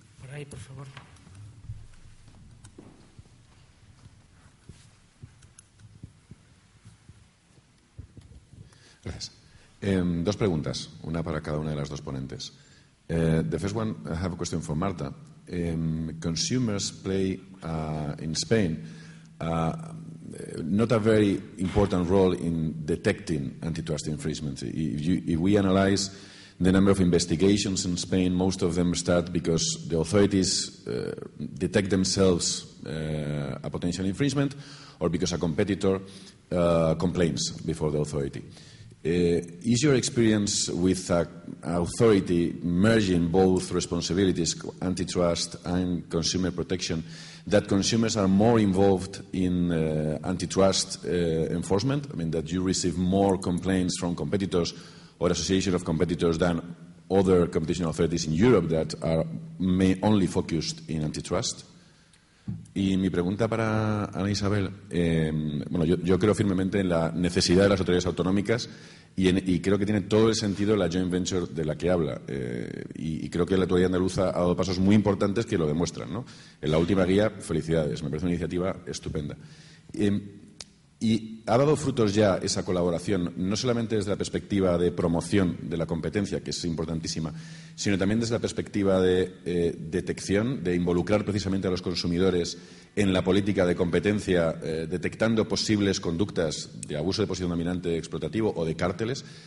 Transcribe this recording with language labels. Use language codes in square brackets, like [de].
[es] Ahí, por favor. Gracias. Dos preguntas, una para cada una de las dos ponentes. [en] The first one, I have a question for Marta. Consumers play in Spain not a very important role in detecting antitrust infringements. If we analyze the number of investigations in Spain, most of them start because the authorities detect themselves a potential infringement or because a competitor complains before the authority. Is your experience with an authority merging both responsibilities, antitrust and consumer protection, that consumers are more involved in antitrust enforcement? I mean, that you receive more complaints from competitors or association of competitors than other competition authorities in Europe that are only focused in antitrust? [es] Y mi pregunta para Ana Isabel, yo creo firmemente en la necesidad de las autoridades autonómicas y creo que tiene todo el sentido la joint venture de la que habla. Y creo que la autoridad andaluza ha dado pasos muy importantes que lo demuestran, ¿no? En la última guía, felicidades, me parece una iniciativa estupenda. Y ha dado frutos ya esa colaboración, no solamente desde la perspectiva de promoción de la competencia, que es importantísima, sino también desde la perspectiva de detección, de involucrar precisamente a los consumidores en la política de competencia, detectando posibles conductas de abuso de posición dominante explotativo o de cárteles.